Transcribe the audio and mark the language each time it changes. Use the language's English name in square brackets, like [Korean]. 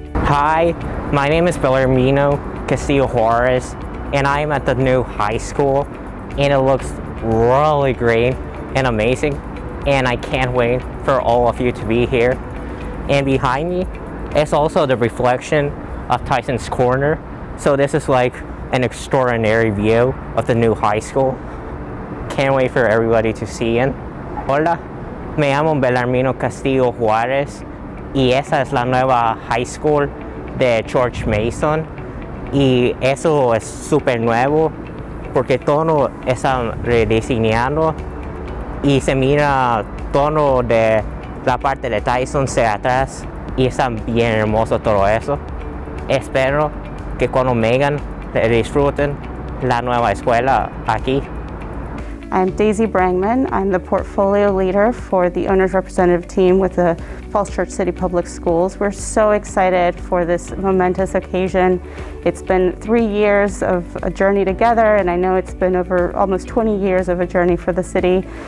[English] Hi, my name is Bellarmino Castillo Juarez, and I'm at the new high school, and it looks really great and amazing, and I can't wait for all of you to be here. And behind me is also the reflection of Tyson's Corner, so this is like an extraordinary view of the new high school. Can't wait for everybody to see in. [Spanish] Hola, me llamo Bellarmino Castillo Juarez, y esa es la nueva high school de George Mason. Y eso es super nuevo, porque todo está rediseñado y se mira todo de la parte de Tyson hacia atrás y está bien hermoso todo eso. Espero que cuando vengan disfruten la nueva escuela aquí. [English] I'm Daisy Brangman. I'm the portfolio leader for the owner's representative team with the Falls Church City Public Schools. We're so excited for this momentous occasion. It's been 3 years of a journey together, and I know it's been over almost 20 years of a journey for the city.